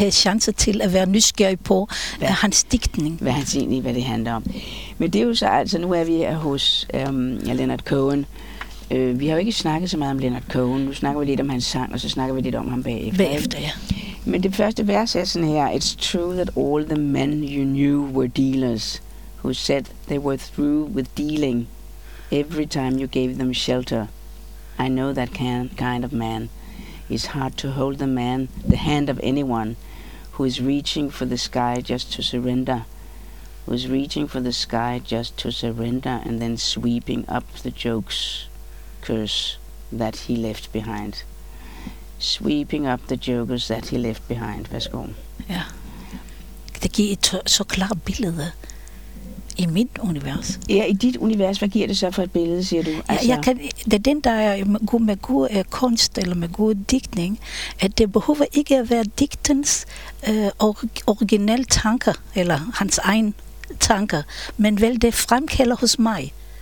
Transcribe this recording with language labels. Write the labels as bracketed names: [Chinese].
[Danish] have chancer til at være nysgerrig på hans digtning. Hvad han siger egentlig, hvad det handler om. Men det er jo så, altså nu er vi her hos Leonard Cohen. Vi har jo ikke snakket så meget om Leonard Cohen. Nu snakker vi lidt om hans sang, og så snakker vi lidt om ham bagefter. Ja. Men det første vers er sådan her. [English] It's true that all the men you knew were dealers, who said they were through with dealing. Every time you gave them shelter, I know that kind of man. It's hard to hold the man, the hand of anyone who is reaching for the sky just to surrender, who is reaching for the sky just to surrender, and then sweeping up the jokes curse that he left behind. Sweeping up the jokes that he left behind. [Danish] Værsgo. Ja. Det giver et så klart billede. I mit univers. Ja, i dit univers, hvad giver det så for et billede, siger du? Altså... Jeg kan, det er den, der er med god kunst eller med god digtning, at det behøver ikke at være digtens originelle tanker, eller hans egen tanker, men vel det fremkalder hos mig.